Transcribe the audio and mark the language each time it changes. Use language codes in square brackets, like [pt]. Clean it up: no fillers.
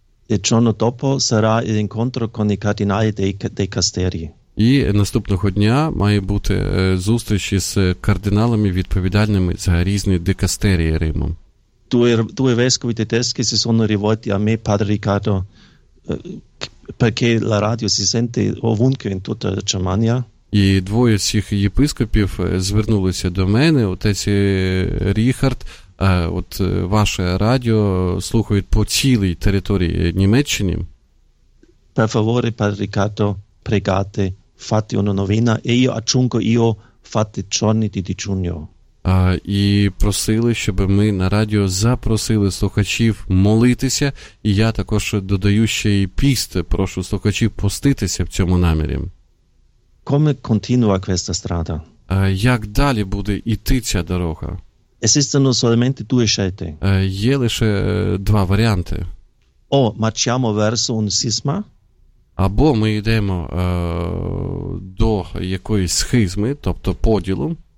[it] Il giorno dopo sarà l'incontro con i cardinali dei Castelli. [uk] І наступного дня має бути зустріч із кардиналами, відповідальними за різні дикастерії Риму. [it] Due vescovi tedeschi si sono rivolti a me, padre Riccardo, perché la radio si sente ovunque in tutta Germania. [uk] І двоє цих єпископів звернулися до мене, отець Ріхард, от ваше радіо слухають по цілій території Німеччини. [it] Per favore, padre Riccardo, pregate, fate una novena, e io aggiungo, io fate giorni di digiuno. [uk] І просили, щоб ми на радіо запросили слухачів молитися, і я також додаю ще й піст, прошу слухачів поститися в цьому намірі. [it] come continua questa strada? [uk] Як далі буде йти ця дорога? [it] Esistono solamente due scelte. [uk] Є лише два варіанти. [it] O marciamo verso un sisma? [uk] Або ми йдемо до якоїсь схизми, тобто поділу.